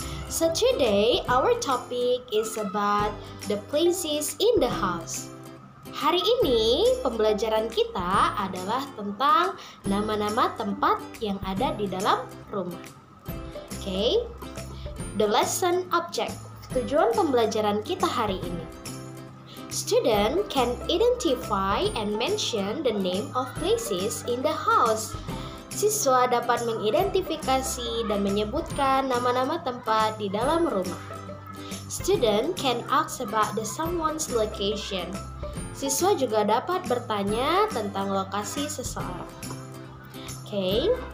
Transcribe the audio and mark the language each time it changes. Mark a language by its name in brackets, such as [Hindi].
[English] So today, our topic is about the places in the house. [Indonesian] Hari ini, pembelajaran kita adalah tentang nama-nama tempat yang ada di dalam rumah. [English] Okay? The lesson object, [Indonesian] tujuan pembelajaran kita hari ini. [English] Student can identify and mention the name of places in the house. [Indonesian] Siswa dapat mengidentifikasi dan menyebutkan nama-nama tempat di dalam rumah. [English] Student can ask about the someone's location. [Indonesian] Siswa juga dapat bertanya tentang lokasi seseorang. Okay.